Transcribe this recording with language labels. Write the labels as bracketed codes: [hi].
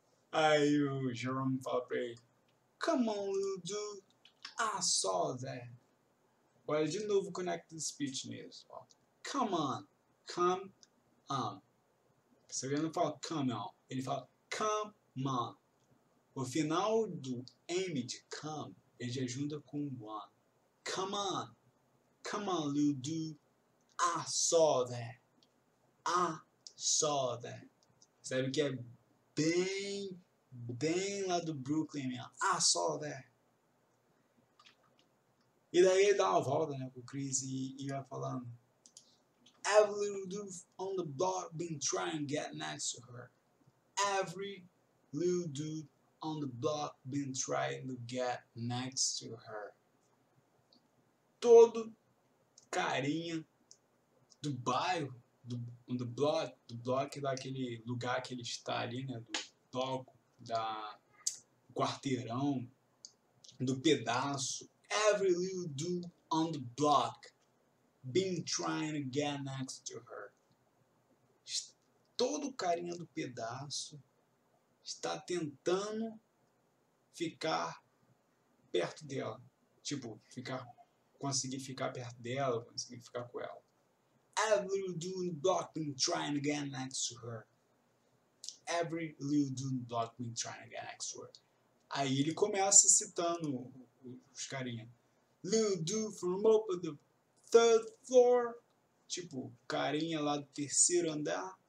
[pt] Aí o Jerome fala pra ele, [en] come on, Ludo, I saw that. [pt] Olha, de novo, connected speech nisso. [en] Come on, come on. [pt] Você vê, ele não fala [en] come on, [pt] ele fala come on. O final do M de come, ele já junta com one. [en] Come on, come on, Ludo, I saw that. I saw that. [pt] Sabe que é bem... Bem lá do Brooklyn, minha. [en] I saw that. [pt] E daí ele dá uma volta, né, com o Chris e vai falando. [en] Every little dude on the block been trying to get next to her. Every little dude on the block been trying to get next to her. [pt] Todo carinha do bairro, do block daquele lugar que ele está ali, né, do bloco. Da quarteirão, do pedaço. [en] Every little dude on the block been trying to get next to her. [pt] Todo carinha do pedaço está tentando ficar perto dela. Tipo, conseguir ficar perto dela, conseguir ficar com ela. [en] Every little dude on the block been trying to get next to her. Every little dude block me trying to get next word. [pt] Aí ele começa citando os carinha. [en] Little dude from up the third floor. [pt] Tipo, carinha lá do terceiro andar.